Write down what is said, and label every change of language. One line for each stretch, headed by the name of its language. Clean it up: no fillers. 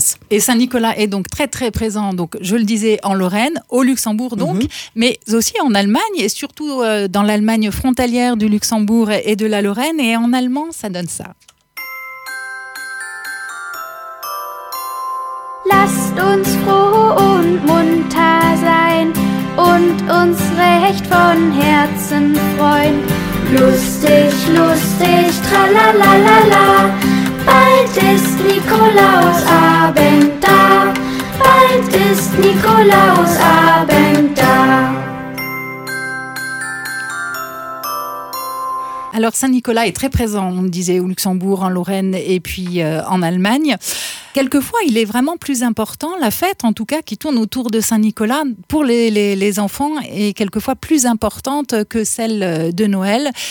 French: Et Saint-Nicolas est donc très très présent, donc, je le disais, en Lorraine, au Luxembourg donc, mais aussi en Allemagne et surtout dans l'Allemagne frontalière du Luxembourg et de la Lorraine. Et en allemand, ça donne ça.
German: Lasst uns froh und munter sein und uns recht von Herzen freuen. Lustig, lustig, tralalalala, bald ist Nikolausabend da, bald ist Nikolausabend da.
French: Alors Saint-Nicolas est très présent, on disait, au Luxembourg, en Lorraine et puis en Allemagne. Quelquefois, il est vraiment plus important, la fête en tout cas, qui tourne autour de Saint-Nicolas, pour les enfants, est quelquefois plus importante que celle de Noël.